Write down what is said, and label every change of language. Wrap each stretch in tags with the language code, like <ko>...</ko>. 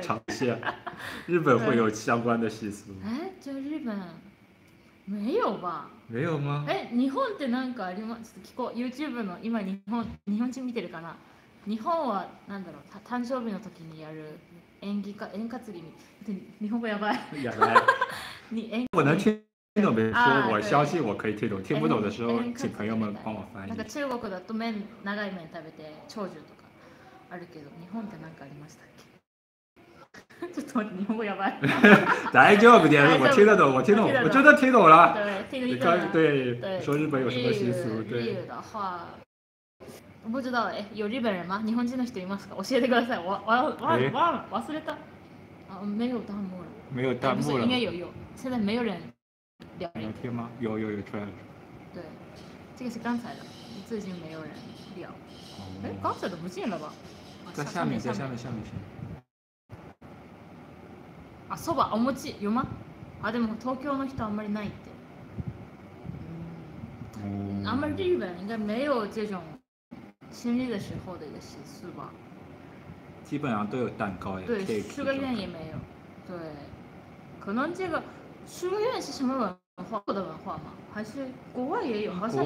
<zh>长线，日本会有相关的习俗。哎，这日本没有吧？没有吗？</zh> <ja>日本って何かありますか？聞こう。YouTube の今日本人見てるかな？日本は何だろう？誕生日の時にやる演技か演歌つり。日本語やばい。やばい。</ja> <zh>你演。我能听听懂没说，我相信我可以听懂。听不懂的时候，请朋友们帮我翻译。</zh> <ja>なんか中国だと麺長い麺食べて長寿とかあるけど、日本って何かありましたっけ？ちょっと待って、日本語やばい。大丈夫です。</ja> <zh>我听得懂，我听懂，我真的听懂了。对，听得懂。对，说日本有什么习俗？对。日语的话，我不知道。有日本人吗？</zh> <ja>日本人の人いますか？教えてください。忘れた。</ja> <zh>啊，没有弹幕了。没有弹幕了。应该有。现在没有人聊天吗？有出来了。对，这个是刚才的，最近没有人聊。刚才的不见了吧？在下面，在下面，下面，下面。</zh> <ja>あ、そば、お餅、よま？あ、でも東京の人あんまりないって。あんまり</ja> <zh>日本应该没有这种新日的时候的一个习俗吧。基本上都有蛋糕耶。对，许个愿也没有。对，可能这个许个愿是什么文化？中国的文化吗？还是国外也有？好像</zh>